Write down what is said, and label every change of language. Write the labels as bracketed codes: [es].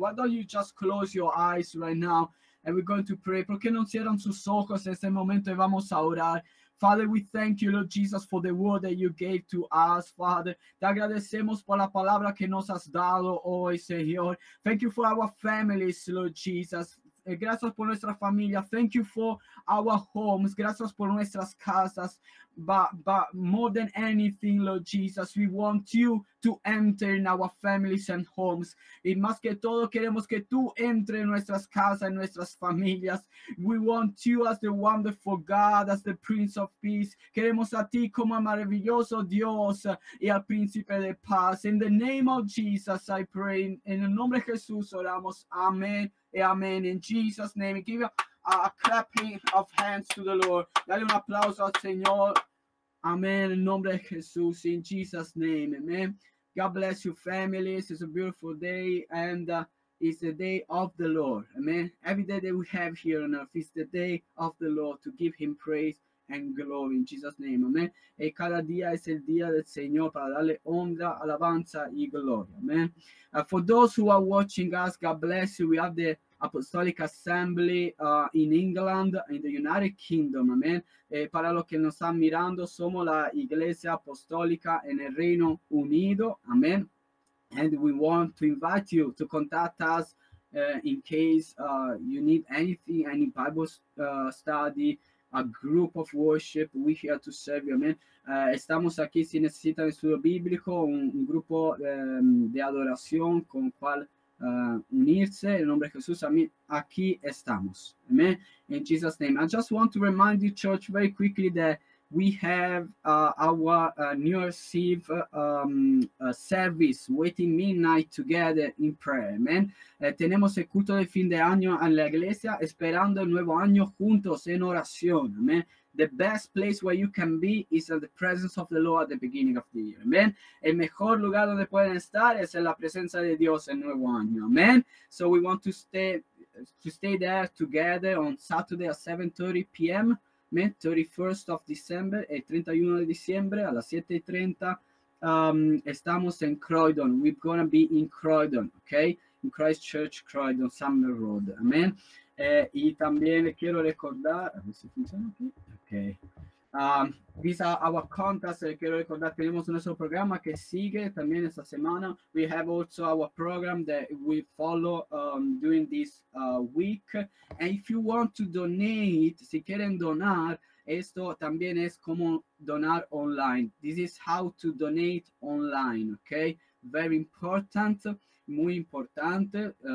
[en] Why don't you just close your eyes right now and we're going to pray. [es] ¿Por qué no cierran sus ojos en este momento y vamos a orar? [en] Father, we thank you, Lord Jesus, for the word that you gave to us, Father. [es] Te agradecemos por la palabra que nos has dado hoy, Señor. [en] Thank you for our families, Lord Jesus. [es] Gracias por nuestra familia. [en] Thank you for our homes. [es] Gracias por nuestras casas. [en] But more than anything, Lord Jesus, we want you to enter in our families and homes. [es] Y más que todo, queremos que tú entre en nuestras casas, en nuestras familias. [en] We want you as the wonderful God, as the Prince of Peace. [es] Queremos a ti como el maravilloso Dios y al Príncipe de Paz. [en] In the name of Jesus, I pray. [es] En el nombre de Jesús, oramos. [en] Amén. Amen. In Jesus' name, give a clapping of hands to the Lord. [es] Dale un aplauso al Señor. Amen. In nombre de Jesús. [en] In Jesus' name. Amen. God bless you, families. It's a beautiful day, and it's the day of the Lord. Amen. Every day that we have here on earth is the day of the Lord to give Him praise and glory. In Jesus' name. Amen. [es] Y cada día es el día del Señor para darle honra, alabanza y gloria. [en] Amen. For those who are watching us, God bless you. We have the Apostolic Assembly in England, in the United Kingdom. Amen. [es] Para los que nos están mirando, somos la Iglesia Apostólica en el Reino Unido. [en] Amen. And we want to invite you to contact us in case you need anything, any Bible study, a group of worship. We here to serve you. Amen. [es] Estamos aquí si necesitan estudio bíblico, un grupo de adoración con cual unirse. En nombre de Jesús, amén. Aquí estamos. Amen. [en] In Jesus' name. I just want to remind you, church, very quickly that we have our New Year's Eve service waiting midnight together in prayer. Amen. [es] Tenemos el culto de fin de año en la iglesia esperando el nuevo año juntos en oración. [en] Amen. The best place where you can be is in the presence of the Lord at the beginning of the year. Amen. [es] El mejor lugar donde pueden estar es en la presencia de Dios el nuevo año. Amen. [en] So we want to stay there together on Saturday at 7:30 p.m. 31st of December, [es] el 31 de diciembre a las 7:30, estamos en Croydon. [en] We're going to be in Croydon, okay? In Christ Church, Croydon, Summer Road. Amen. [es] Y también quiero recordar, a ver si funciona aquí. Okay. [en] These are our contacts. [es] Quiero recordar, tenemos nuestro programa que sigue también esta semana. [en] We have also our program that we follow during this week. And if you want to donate, [es] si quieren donar, esto también es como donar online. [en] This is how to donate online, okay? Very important, [es] muy importante.